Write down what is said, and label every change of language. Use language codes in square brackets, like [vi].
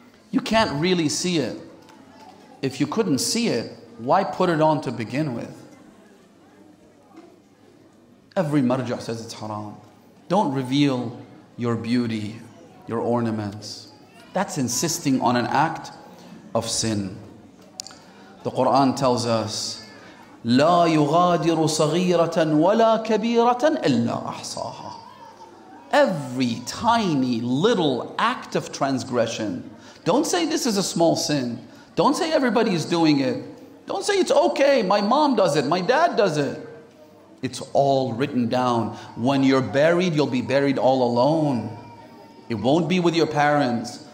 [en] You can't really see it. If you couldn't see it, why put it on to begin with? Every marja says it's haram. Don't reveal your beauty, your ornaments. That's insisting on an act of sin. The Quran tells us, [ar] لَا يُغَادِرُ صَغِيرَةً وَلَا كَبِيرَةً إِلَّا أَحْصَاهَا. [en] Every tiny little act of transgression. Don't say this is a small sin. Don't say everybody is doing it. Don't say it's okay, my mom does it, my dad does it. It's all written down. When you're buried, you'll be buried all alone. It won't be with your parents.